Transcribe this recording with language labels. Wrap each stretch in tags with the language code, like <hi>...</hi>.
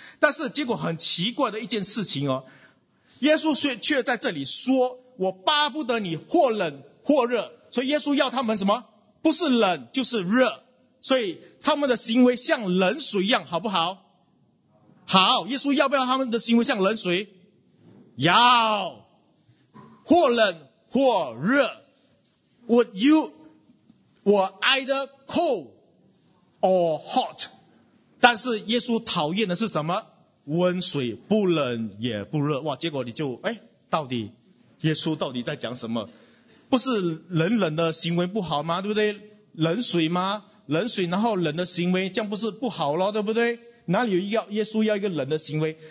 <zh>但是结果很奇怪的一件事情哦，耶稣却在这里说，我巴不得你或冷或热，所以耶稣要他们什么？不是冷就是热，所以他们的行为像冷水一样，好不好？好，耶稣要不要他们的行为像冷水？要，或冷或热。</zh> <en>Would you were either cold or hot?</en> <zh>但是耶稣讨厌的是什么？温水，不冷也不热。哇，结果你就哎，到底耶稣到底在讲什么？不是冷冷的行为不好吗？对不对？冷水吗？冷水然后冷的行为，这样不是不好咯，对不对？哪里有一个耶稣要一个冷的行为？</zh>